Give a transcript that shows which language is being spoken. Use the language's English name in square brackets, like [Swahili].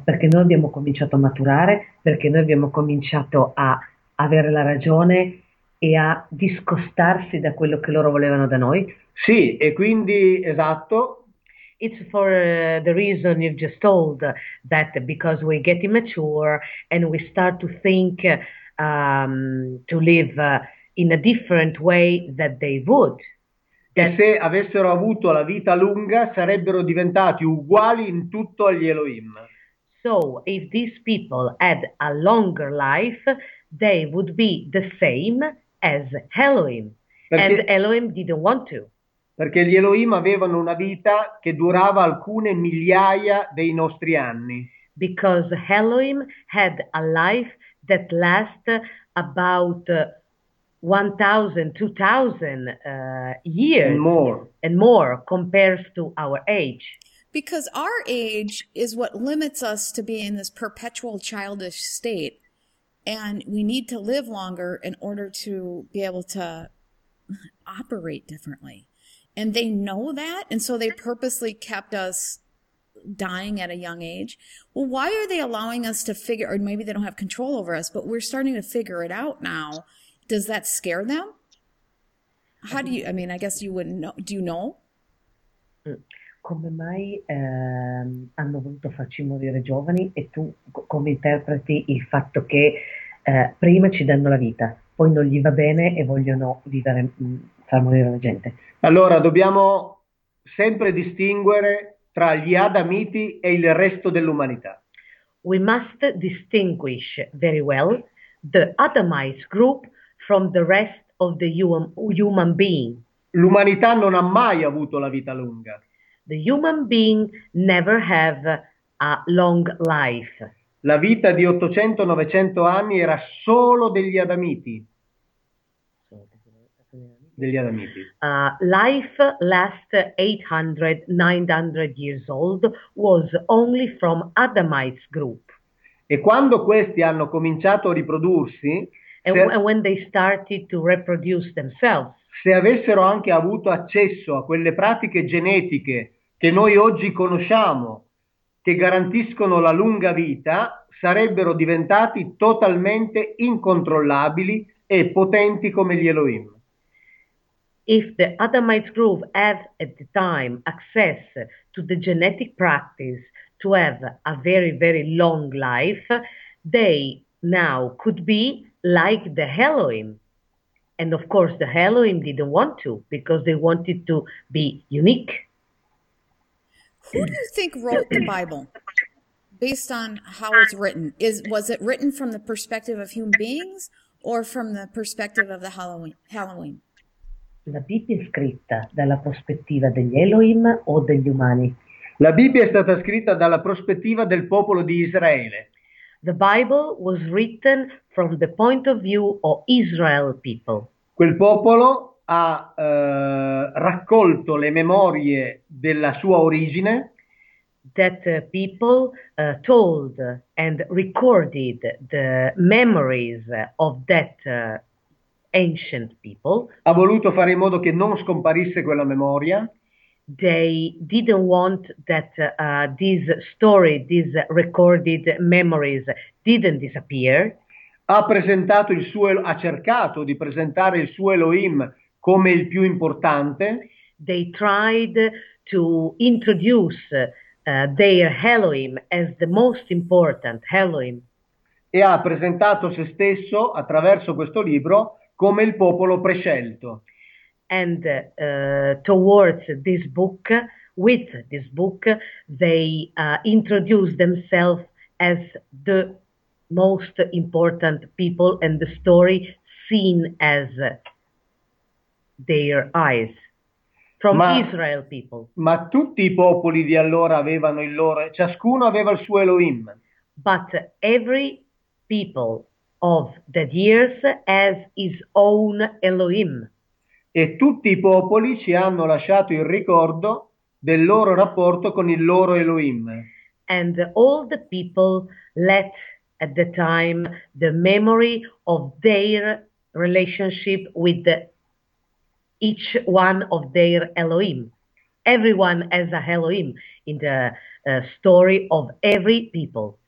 [Italian] Perché noi abbiamo cominciato a maturare, perché noi abbiamo cominciato a avere la ragione e a discostarsi da quello che loro volevano da noi. Sì, e quindi esatto. [English] It's for the reason you've just told, that because we're getting mature and we start to think to live in a different way that they would. [Italian] E se avessero avuto la vita lunga, sarebbero diventati uguali in tutto agli Elohim. [English] So if these people had a longer life, they would be the same as Elohim, and Elohim didn't want to. [Italian] Perché gli Elohim avevano una vita che durava alcune migliaia dei nostri anni. [English] Because Elohim had a life that lasts about 1,000, 2,000 And years more. and more compares to our age. Because our age is what limits us to be in this perpetual childish state, and we need to live longer in order to be able to operate differently. And they know that, and so they purposely kept us dying at a young age. Well, why are they allowing us to figure, or maybe they don't have control over us, but we're starting to figure it out now. Does that scare them? How do you, I mean, I guess you wouldn't know. Do you know? [Italian] Come mai hanno voluto farci morire giovani e tu come interpreti il fatto che prima ci danno la vita, poi non gli va bene e vogliono vivere, far morire la gente? Allora, dobbiamo sempre distinguere tra gli Adamiti e il resto dell'umanità. [English] We must distinguish very well the Adamite group from the rest of the human being. [Italian] L'umanità non ha mai avuto la vita lunga. [English] The human being never have a long life. [Italian] La vita di 800-900 anni era solo degli Adamiti. Degli Adamiti. [English] Life last 800, 900 years old was only from Adamite's group. [Italian] E quando questi hanno cominciato a riprodursi, [English] And when they started to reproduce themselves. [Italian] se avessero anche avuto accesso a quelle pratiche genetiche che noi oggi conosciamo, che garantiscono la lunga vita, sarebbero diventati totalmente incontrollabili e potenti come gli Elohim. [English] If the Adamite group had at the time access to the genetic practice to have a very, very long life, they now could be like the Elohim. And of course, the Elohim didn't want to because they wanted to be unique. Who do you think wrote the Bible based on how it's written? Was it written from the perspective of human beings or from the perspective of the Elohim? [Italian] La Bibbia è scritta dalla prospettiva degli Elohim o degli umani? La Bibbia è stata scritta dalla prospettiva del popolo di Israele. [English] The Bible was written from the point of view of Israel people. [Italian] Quel popolo ha raccolto le memorie della sua origine. [English] That people told and recorded the memories of that ancient people. [Italian] Ha voluto fare in modo che non scomparisse quella memoria. [English] They didn't want that this story, these recorded memories didn't disappear. [Italian] Ha cercato di presentare il suo Elohim come il più importante. [English] They tried to introduce their Elohim as the most important Elohim. [Italian] E ha presentato se stesso attraverso questo libro come il popolo prescelto. [English] And towards this book, with this book, they introduce themselves as the most important people and the story seen as their eyes from Israel people. [Italian] Ma tutti i popoli di allora avevano il loro, ciascuno aveva il suo Elohim. [English] but every people of the years has his own Elohim. [Italian] E tutti i popoli ci hanno lasciato il ricordo del loro rapporto con il loro Elohim. [English] And all the people let at the time the memory of their relationship with each one of their Elohim. Everyone has a Elohim in the story of every people.